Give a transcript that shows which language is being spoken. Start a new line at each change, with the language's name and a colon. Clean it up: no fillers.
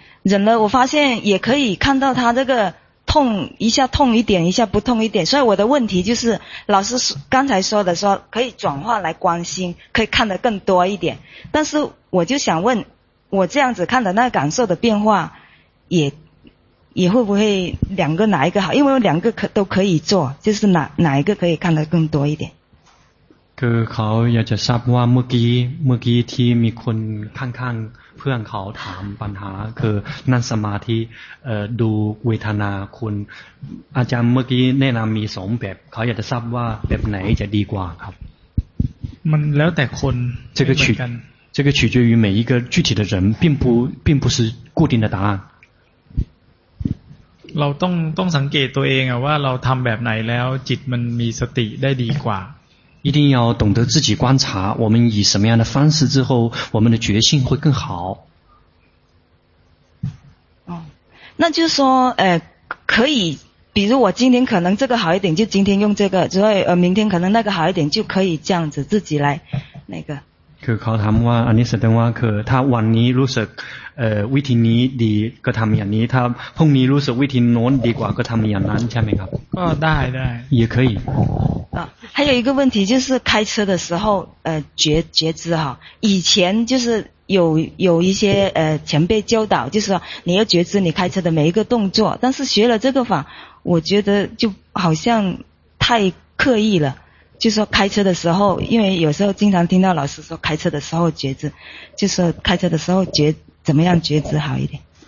Chinese: 了我发现也可以看到他这个痛一下痛一点一下不痛一点所以我的问题就是老师刚才说的说可以转化来关心可以看得更多一点但是我就想问我这样子看的那个感受的变化也会不会两个哪一个好因为两个都可以做就是哪一个可以看得更多一点
Thai: คือเขาอยากจะทราบว่าเมื่อกี้ที่มีคนข้างๆเพื่อนเขาถามปัญหาคือนั่งสมาธิดูเวทนาคุณอาจารย์เมื่อกี้แนะนำมีสองแบบเขาอยากจะทราบว่าแบบไหนจะดีกว่าครับ มันแล้วแต่คน
Chinese: จะก็取决于每一个具体的人并不是固定的答案
Thai: เราต้องสังเกตตัวเองอ่ะว่าเราทำแบบไหนแล้วจิตมันมีสติได้ดีกว่า
Chinese: 一定要懂得自己观察我们以什么样的方式之后我们的觉性会更好那就是说可以比如我今天可能这个好一点就今天用这个之后明天可能那个好一点就可以这样子自己来那个
Thai: คือเขาถามว่าอันนี้แสดงว่าคือถ้าวันนี้รู้สึกวิธีนี้ดีก็ทำอย่างนี้ถ้าพรุ่งนี้รู้สึกวิธีโน้นดีกว่าก็ทำอย่างนั้นใช่ไหมครับ ก็ได้
Chinese: 也可以还有一个问题就是开车的时候觉知哈以前就是有一些前辈教导就是说你要觉知你开车的每一个动作但是学了这个法我觉得就好像太刻意了就说开车的时候因为有时候经常听到老师说开车的时候觉知就说开车的时候觉怎么样觉知好一点